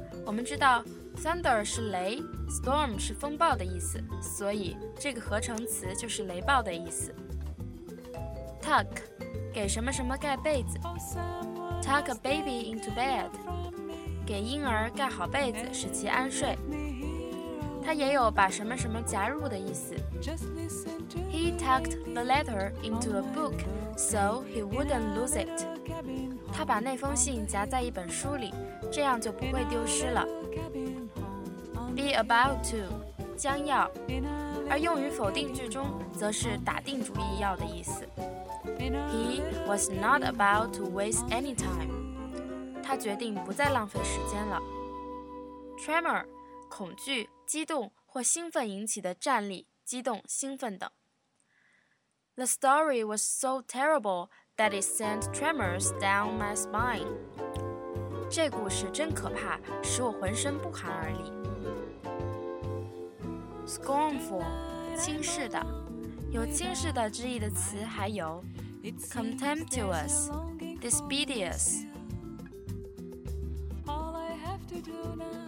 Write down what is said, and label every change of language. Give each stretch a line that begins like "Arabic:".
Chinese: 我们知道 ,thunder 是雷 ,storm 是风暴的意思，所以这个合成词就是雷暴的意思。 Tuck, 给什么什么盖被子。
English: Tuck a baby into bed,
Chinese: 给婴儿盖好被子使其安睡。它也有把什么什么夹入的意思。
English: He tucked the letter into a book so he wouldn't lose it.
Chinese: 他把那封信夹在一本书里，这样就不会丢失了。
English: Be about to,
Chinese: 将要，而用于否定句中，则是打定主意要的意思。
English: He was not about to waste any time.
Chinese: 他决定不再浪费时间了。Tremor, 恐惧、激动或兴奋引起的战栗、激动、兴奋等。
English: The story was so terrible. That it sent tremors down my spine.
Chinese: 这故事真可怕，使我浑身不寒而栗。 Scornful, 轻视的，有轻视的之意的词还有 contemptuous, despiteous.
English: All I have to do now.